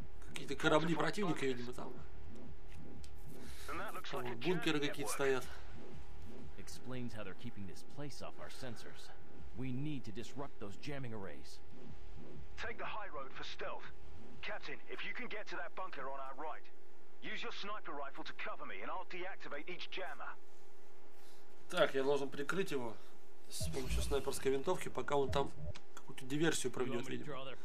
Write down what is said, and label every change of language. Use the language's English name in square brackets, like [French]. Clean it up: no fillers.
[Russian] Какие-то корабли противника, видимо, там. Там бункеры какие-то стоят. Объясняет, как они держат это место от наших сенсоров. [English] We need to disrupt those jamming arrays. Take the high road for stealth. Captain, if you can get to that bunker on our right, use your sniper rifle to cover me and I'll deactivate each jammer. [Russian] Так, я должен прикрыть его с помощью снайперской винтовки, пока он там какую-то диверсию проведет, видимо.